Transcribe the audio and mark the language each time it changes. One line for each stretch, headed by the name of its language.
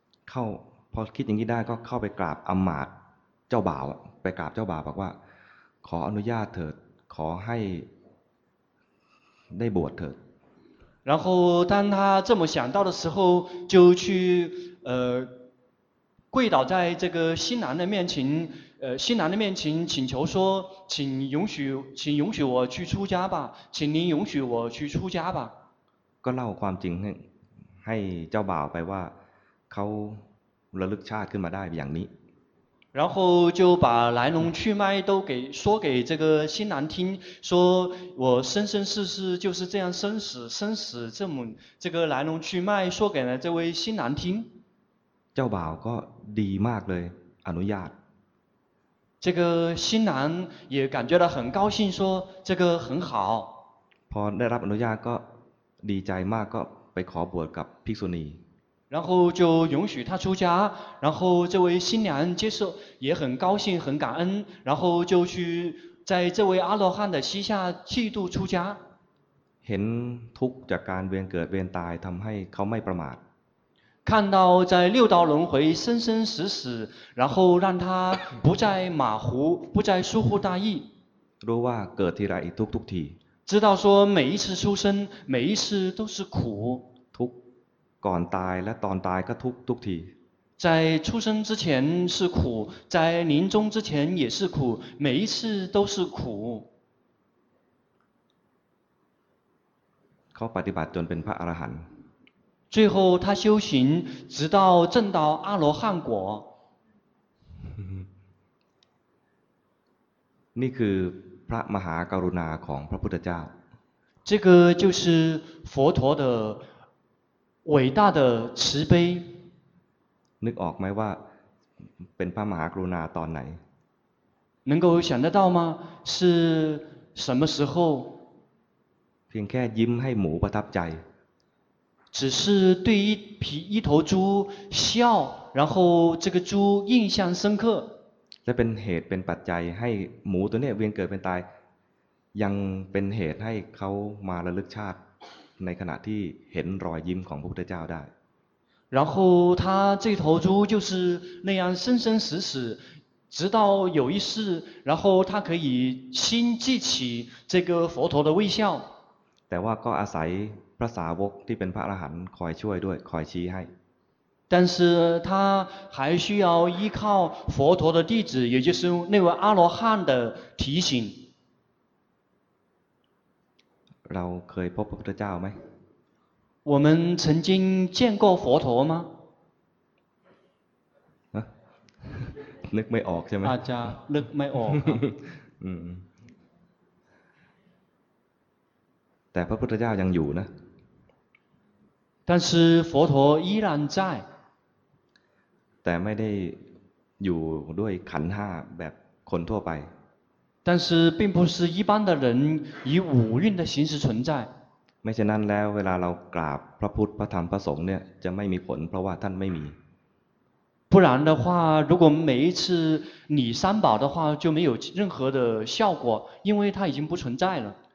Thai: เข้าพอคิดอย่างนี้ได้ก็เข้าไปกราบอมาตย์เจ้าบ่าวไปกราบเจ้าบ่าวบอกว่าขออนุญาตเถิดขอให้ได้บวชเถิด
Chinese: 然后当他这么想到的时候就去跪倒在这个新郎的面前新郎的面前请求说请允许我去出家吧请您允许我去出家吧
Thai: ก็เล่าความจริงให้เจ้าบ่าวไปว่าเขาระลึกชาติขึ้นมาได้อย่างนี้
Chinese: 然后就把来龙去脉都给说给这个新郎听说我生生世世就是这样生死这么这个来龙去脉说给了这位新郎听
Thai: เจ้าบ่าวก็ดีมากเลยอนุญาต
Chinese: 这个新郎也感觉到很高兴说这个很好
Thai: พอได้รับอนุญาตก็ดีใจมากก็ไปขอบวชกับภิกษุณี
Chinese: 然后就允许他出家然后这位新娘接受也很高兴很感恩然后就去在这位阿罗汉的膝下剃度出家
Thai: เห็นทุกข์จากการเวียนเกิดเวียนตายทำให้เขาไม่ประมาท
Chinese: 看到在六道轮回生生死死然后让他不再马虎不再疏忽大意
Thai: รู้ว่าเกิดทีไรทุกทุกที
Chinese: 知道说每一次出生每一次都是苦
Thai: ทุกก่อนตายและตอนตายก็ทุกทุกที
Chinese: 在出生之前是苦在临终之前也是苦每一次都是苦
Thai: เขาปฏิบัติจนเป็นพระอรหันต์
Chinese: 最后他修行直到证到阿罗汉果
Thai: นี่คือพระมหากรุณาของพระพุทธเจ้า
Chinese: 这个就是佛陀的伟大的慈悲
Thai: นึกออกไหมว่าเป็นพระมหากรุณาตอนไหน
Chinese: 能够想得到吗是什么时候
Thai: เพียงแค่ยิ้มให้หมูประทับใจ
Chinese: 只是对一头猪笑然后这个猪印象深刻
Thai: 这เป็นเหตุเป็นปัจจัยให้หมูตัวเนี้ยเวียนเกิดเป็นตายยังเป็นเหตุให้เขามาระลึกชาติในขณะที่เห็นรอยยิ้มของพระพุทธเจ้าได้
Chinese: 然后他这头猪就是那样生生死死直到有一世然后他可以心记起这个佛陀的微笑
Thai: แต่ว่าก็อาศัยพระสาวกที่เป็นพระอรหันต์คอยช่วยด้วยคอยชี้ให้
Chinese: 但是他还需要依靠佛陀的弟子也就是那位阿罗汉的提醒
Thai: เราเคยพบพระพุทธเจ้าไหม
Chinese: 我们曾经见过佛陀吗
Thai: นึกไม่ออกใช่ไหม อาจารย์นึกไม่ออก แต่พระพุทธเจ้ายังอยู่นะ
Chinese: 但是佛陀依然在
Thai: แต่ไม่ได้อยู่ด้วยขันธ์ห้าแบบคนทั่วไป
Chinese: 但是并不是一般的人以五蕴的形式存在
Thai: ไม่ฉะนั้นแล้วเวลาเรากราบพระพุทธพระธรรมพระสงฆ์เนี่ยจะไม่มีผลเพราะว่าท่านไม่มี
Chinese: 不然的话如果每一次礼三宝的话就没有任何的效果因为他已经不存在了